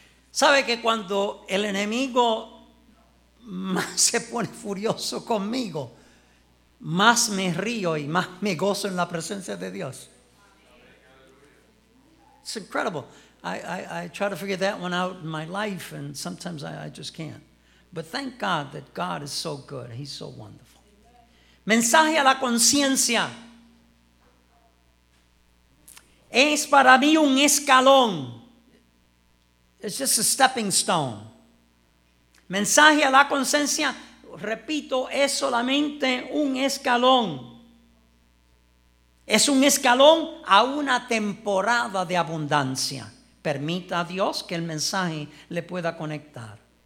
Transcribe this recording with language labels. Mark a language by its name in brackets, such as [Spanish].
[Spanish] ¿Sabe que cuando el enemigo más se pone furioso conmigo, más me río y más me gozo en la presencia de Dios? [English] It's incredible. I try to figure that one out in my life, and sometimes I just can't. But thank God that God is so good. He's so wonderful. [Spanish] Mensaje a la conciencia. Es para mí un escalón. [English] It's just a stepping stone. [Spanish] Mensaje a la conciencia, repito, es solamente un escalón. Es un escalón a una temporada de abundancia. Permita a Dios que el mensaje le pueda conectar.